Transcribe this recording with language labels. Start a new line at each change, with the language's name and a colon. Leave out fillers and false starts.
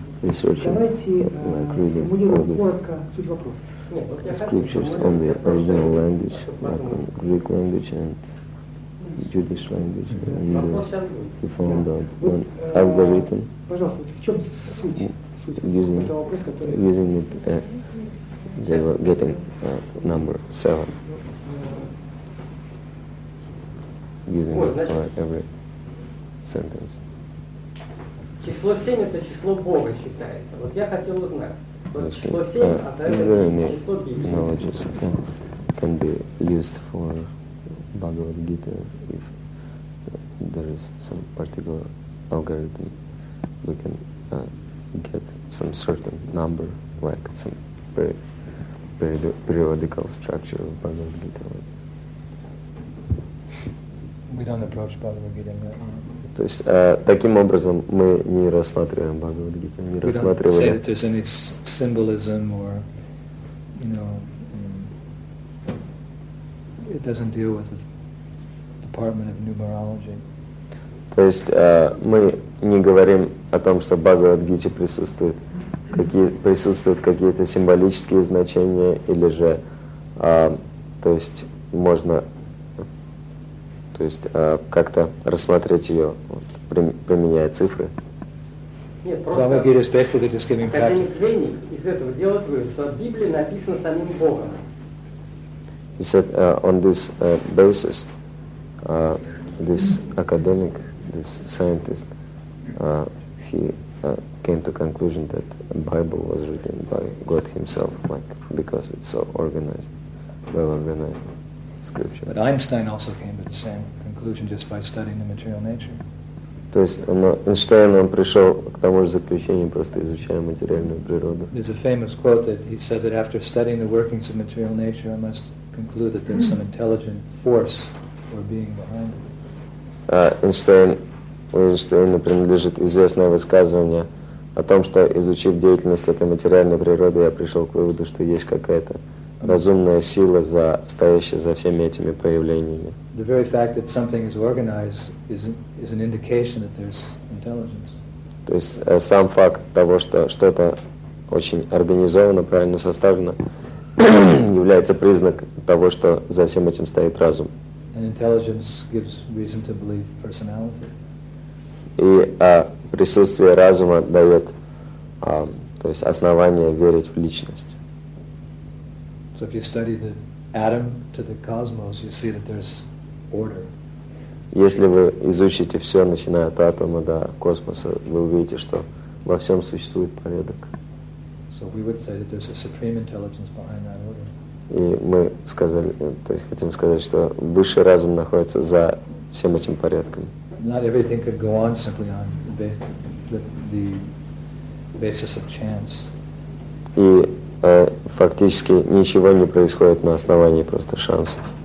English: scriptures on the original language, like on Greek language and Jewish language, and you found out an algorithm using it, they were getting number 7, using it for every sentence.
Russian: Число 7 – это число Бога считается. Вот я хотел узнать. Вот число 7, а это число Библии.
English: Knowledges can be used for Bhagavad Gita if there is some particular algorithm. We can get some certain number, like some periodical structure of Bhagavad Gita. We don't approach Bhagavad Gita in that way.
Russian: То есть таким образом мы не рассматриваем Бхагавад Гиту, не рассматриваем.
English: We don't say that there's any symbolism or, you know, it doesn't deal with the department of numerology.
Russian: То есть мы не говорим о том, что в Бхагавад Гите присутствуют какие-то символические значения или же, то есть можно. То есть как-то рассмотреть ее, вот, применяя цифры. Нет, просто
English: Bhagavad Gita is basically just giving practice.
Russian: Из этого делает вывод, что в Библии написано самим Богом.
English: He said on this basis, this academic, this scientist, he came to conclusion that Bible was written by God himself, like because it's so organized, well organized. Scripture. But Einstein also came to the same conclusion just by studying the material nature.
Russian: То есть Эйнштейн он пришел к тому же заключению просто изучая материальную природу.
English: There's a famous quote that he said that after studying the workings of material nature, I must conclude that there's some intelligent force or being behind it.
Russian: Эйнштейну принадлежит известное высказывание о том, что изучив деятельность этой материальной природы, я пришел к выводу, что есть какая-то разумная сила, стоящая за всеми этими проявлениями.
English: The very fact that something is organized is an indication that there's intelligence.
Russian: То есть сам факт того, что что-то очень организовано, правильно составлено, является признак того, что за всем этим стоит разум.
English: And intelligence gives reason to believe personality.
Russian: И присутствие разума дает, то есть основание верить в личность.
English: So if you study the atom to the cosmos, you see that there's order.
Russian: Если вы изучите все, начиная от атома до космоса, вы увидите, что во всем существует порядок.
English: So we would say that there's a supreme intelligence behind that order.
Russian: И мы сказали, то есть хотим сказать, что высший разум находится за всем этим порядком.
English: Not everything could go on simply on the basis of chance.
Russian: И фактически ничего не происходит на основании просто шансов.